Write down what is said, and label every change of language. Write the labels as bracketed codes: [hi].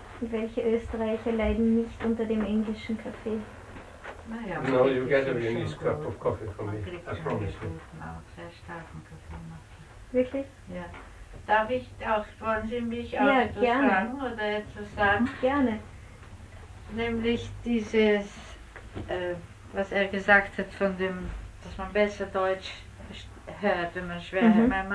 [de] Welche Österreicher leiden nicht unter dem englischen Kaffee? [en] No, you get a Viennese cup of coffee from me, I promise you. [de] Sehr starken Kaffee machen. Wirklich? Ja. Darf ich auch, wollen Sie mich auch etwas fragen oder etwas sagen? Gerne. Nämlich dieses, was er gesagt hat von dem, dass man besser Deutsch hört, wenn man schwerhörig ist.